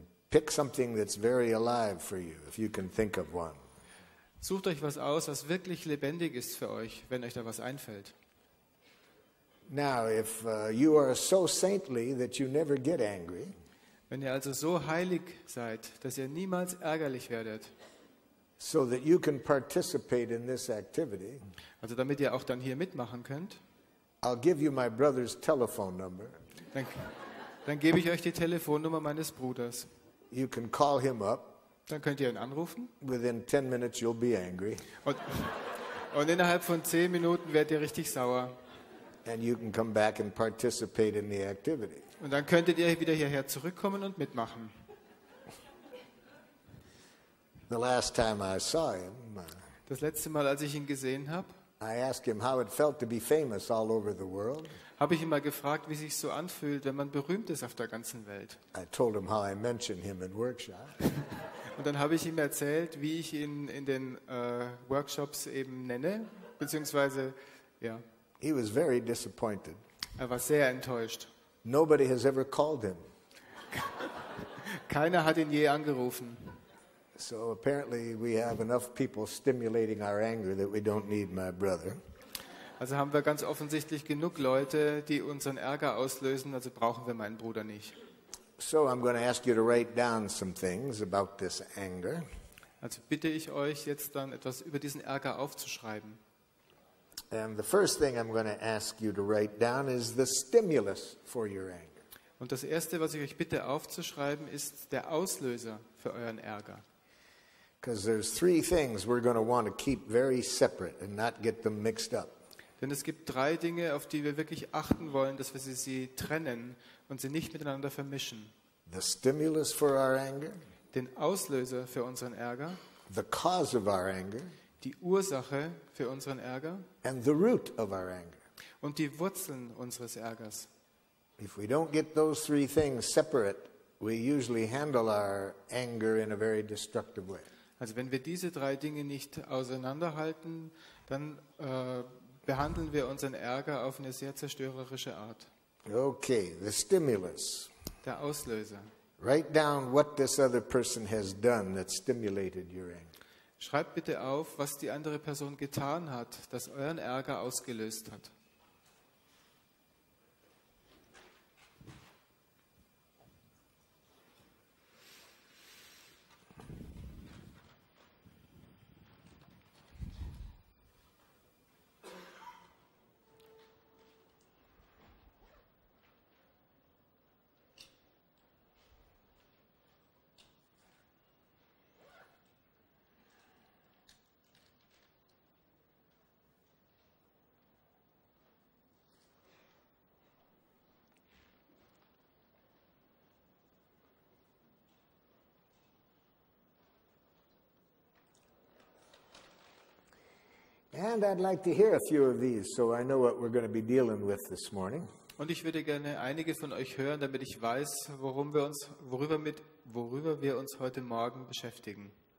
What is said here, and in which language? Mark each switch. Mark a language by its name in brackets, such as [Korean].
[English] Pick something that's very alive for you, if you can think of one. [German] Sucht euch was aus, was wirklich lebendig ist für euch, wenn euch da was einfällt. [English] Now, if you are so saintly that you never get angry, [German] wenn ihr also so heilig seid, dass ihr niemals ärgerlich werdet, [English] so that you can participate in this activity, [German] also damit ihr auch dann hier mitmachen könnt, [English] I'll give you my brother's telephone number. [German] Dann gebe ich euch die Telefonnummer meines Bruders. [English] You can call him up. [German] Dann könnt ihr ihn anrufen. [English] Within 10 minutes you'll be angry. [German] Und innerhalb von 10 Minuten werdet ihr richtig sauer. [English] And you can come back and participate in the activity. [German] Und dann könntet ihr wieder hierher zurückkommen und mitmachen. [English] The last time I saw him. [German] Das letzte Mal, als ich ihn gesehen habe. [English] I asked him how it felt to be famous all over the world. [German] Habe ich ihn mal gefragt, wie sich so anfühlt, wenn man berühmt ist auf der ganzen Welt. [English] I told him how I mentioned him in workshop. [German] Und dann habe ich ihm erzählt, wie ich ihn in den Workshops eben nenne, beziehungsweise ja. [English] He was very disappointed. [German] Er war sehr enttäuscht. [English] Nobody has ever called him. [German] Keiner hat ihn je angerufen. [English] So apparently we have enough people stimulating our anger that we don't need my brother. [German] Also haben wir ganz offensichtlich genug Leute, die unseren Ärger auslösen, also brauchen wir meinen Bruder nicht. [English] So I'm going to ask you to write down some things about this anger. [German] Also bitte ich euch jetzt dann etwas über diesen Ärger aufzuschreiben. [English] And the first thing I'm going to ask you to write down is the stimulus for your anger. [German] Und das erste, was ich euch bitte aufzuschreiben, ist der Auslöser für euren Ärger. [English] Because there's three things we're going to want to keep very separate and not get them mixed up. [German] Denn es gibt drei Dinge, auf die wir wirklich achten wollen, dass wir sie trennen und sie nicht miteinander vermischen. [English] The stimulus for our anger. [German] Den Auslöser für unseren Ärger. [English] The cause of our anger. [German] Die Ursache für unseren Ärger. [English] And the root of our anger. [German] Und die Wurzeln unseres Ärgers. [English] If we don't get those three things separate, we usually handle our anger in a very destructive way. [German] Also wenn wir diese drei Dinge nicht auseinanderhalten, dann behandeln wir unseren Ärger auf eine sehr zerstörerische Art. [English] Okay, the stimulus. [German] Der Auslöser. [English] Write down what this other person has done that stimulated your anger. [German] Schreibt bitte auf, was die andere Person getan hat, das euren Ärger ausgelöst hat. [English] And I'd like to hear a few of these so I know what we're going to be dealing with this morning. [German] Und ich würde gerne einige von euch hören, damit ich weiß, worüber wir uns heute Morgen beschäftigen.